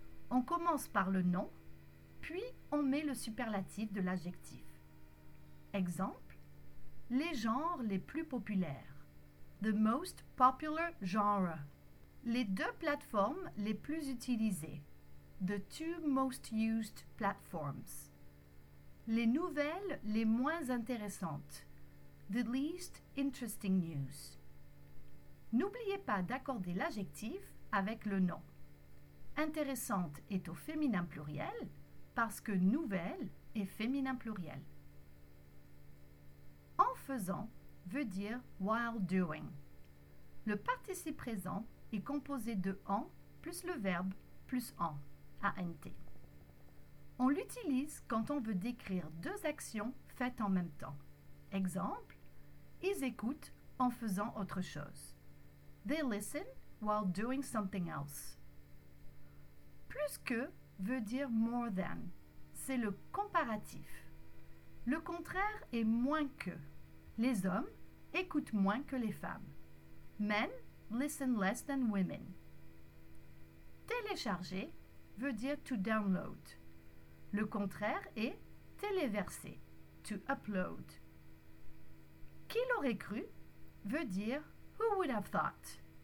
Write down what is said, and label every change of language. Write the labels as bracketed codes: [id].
[fr] On commence par le nom, puis on met le superlatif de l'adjectif. Exemple, les genres les plus populaires. [en] The most popular genre. [fr] Les deux plateformes les plus utilisées. [en] The two most used platforms. [fr] Les nouvelles les moins intéressantes. [en] The least interesting news. [fr] N'oubliez pas d'accorder l'adjectif avec le nom. Intéressante est au féminin pluriel parce que nouvelle est féminin pluriel. En faisant veut dire [en] while doing. [fr] Le participe présent est composé de en plus le verbe plus en, ant. On l'utilise quand on veut décrire deux actions faites en même temps. Exemple, ils écoutent en faisant autre chose. [en] They listen while doing something else. [fr] plus que veut dire [en] more than. [fr] C'est le comparatif. Le contraire est moins que. Les hommes écoutent moins que les femmes. [en] Men listen less than women. [fr] Télécharger veut dire [en] to download. [fr] Le contraire est téléverser, [en] to upload. [fr] Qui l'aurait cru veut dire [en] who would have thought.